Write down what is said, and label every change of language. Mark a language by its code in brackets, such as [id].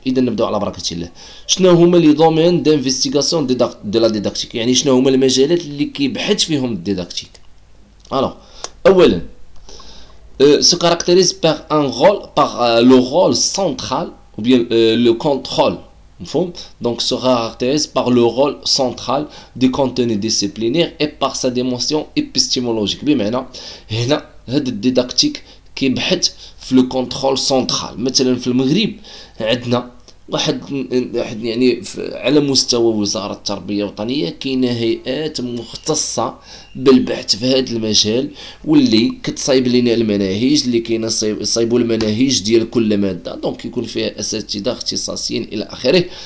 [ar] اذا نبداو على بركه الله. شنو هما لي دومين دانفيستيغاسيون دو لا ديداكتيك؟ يعني شنو هما المجالات اللي كيبحث فيهم الديداكتيك؟ الو، اولا [fr] se caractérise par un rôle, par le rôle central ou bien le contrôle. Donc se caractérise par le rôle central du contenu disciplinaire et par sa dimension épistémologique. Bien maintenant, il y a cette didactique qui est sur le contrôle central. [ar] مثلاً في المغرب عندنا واحد يعني على مستوى وزارة التربية الوطنية كاين هيئات مختصة بالبحث في هذا المجال، واللي كتصايب لنا المناهج اللي كاينه، صايبوا المناهج ديال كل مادة، دونك يكون فيها أساتذة اختصاصيين إلى آخره.